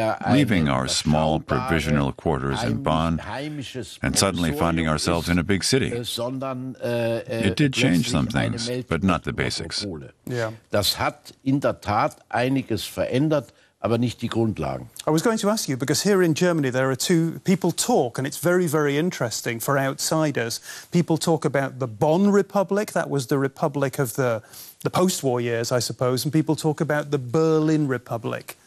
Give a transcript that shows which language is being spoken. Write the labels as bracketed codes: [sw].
[en] Leaving our small provisional quarters in Bonn and suddenly finding ourselves in a big city. It did change some things, but not the basics. [de] Das hat in der Tat einiges verändert, aber nicht die Grundlagen. [en] I was going to ask you, because here in Germany there are two people talk, and it's very, very interesting for outsiders. People talk about the Bonn Republic, that was the republic of the post-war years, I suppose, and people talk about the Berlin Republic.